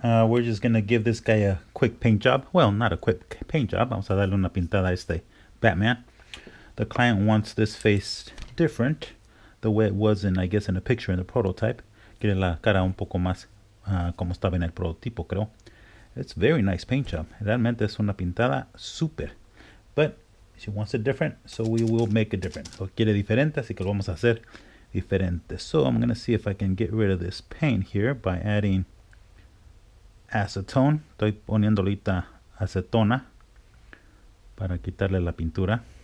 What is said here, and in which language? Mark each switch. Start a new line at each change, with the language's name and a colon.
English: We're just gonna give this guy a quick paint job. Well, not a quick paint job.
Spanish: Vamos a darle una pintada a este Batman.
English: The client wants this face different, the way it was in, I guess, in a picture in the prototype.
Spanish: Quiere la cara un poco más como estaba en el prototipo, creo.
English: It's very nice paint job.
Spanish: Realmente es una pintada super.
English: But she wants it different, so we will make it different.
Spanish: So quiere diferente, así que lo vamos a hacer. Diferente.
English: So I'm going to see if I can get rid of this paint here by adding acetone.
Spanish: Estoy poniendo ahorita acetona para quitarle la pintura.